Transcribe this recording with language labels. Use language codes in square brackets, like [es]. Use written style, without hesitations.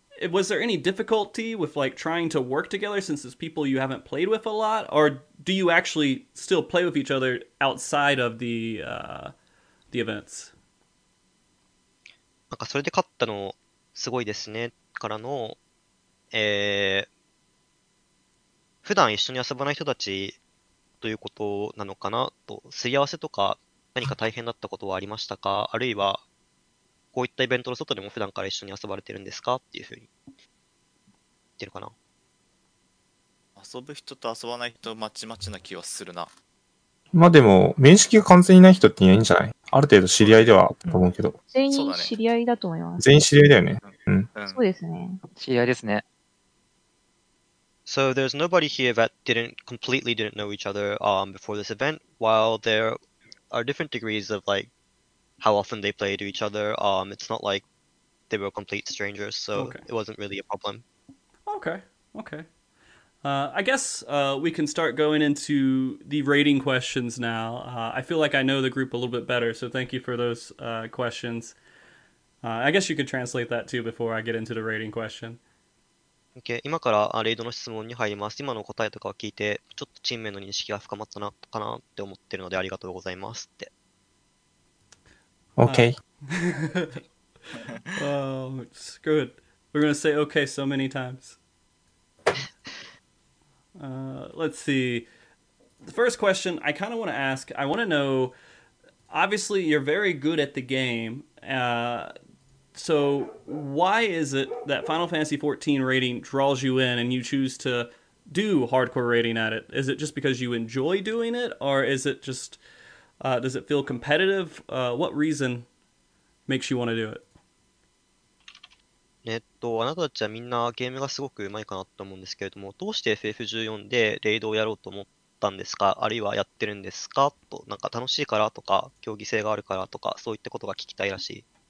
[en] Was there any difficulty with, like, trying to work together since it's people you haven't played with a lot? Or do you actually still play with each other outside of the events? [ja] なんかそれで勝ったのすごいですねからの、普段一緒に遊ばない人たちということなのかなと、すり合わせとか何か大変だったことはありましたか、あるいはこういったイベントの外でも普段から一緒に遊ばれてるんですかっていうふうに言ってるかな。遊ぶ人と遊ばない人まちまちな気はするな。まあでも、面識が完全にない人っていないんじゃない？ある程度知り合いではと思うけど。全員知り合いだと思います。全員知り合いだよね。うん。そうですね。知り合いですね。 [en] So there's nobody here that completely didn't know each other, before this event. While there are different degrees of like how often they play to each other, it's not like they were complete strangers, so okay. It wasn't really a problem. Okay. Okay. I guess we can start going into the rating questions now. I feel like I know the group a little bit better, so thank you for those questions. I guess you could translate that too before I get into the rating question. [ja] Okay, 今からレイドの質問に入ります。今の答えとかを聞いて、ちょっとチーム名の認識が深まったなかなって思ってるのでありがとうございますって。 [en] Okay. Oh, it's good. We're going to say okay so many times. let's see. The first question I kind of want to ask, I want to know, obviously you're very good at the game, so why is it that Final Fantasy XIV raiding draws you in and you choose to do hardcore raiding at it? Is it just because you enjoy doing it, or is it just, does it feel competitive? What reason makes you want to do it? [ja] あなたたちはみんなゲームがすごくうまいかなと思うんですけれども、どうして FF14 でレイドをやろうと思ったんですか、あるいはやってるんですかと、なんか楽しいからとか、競技性があるからとか、そういったことが聞きたいらしい。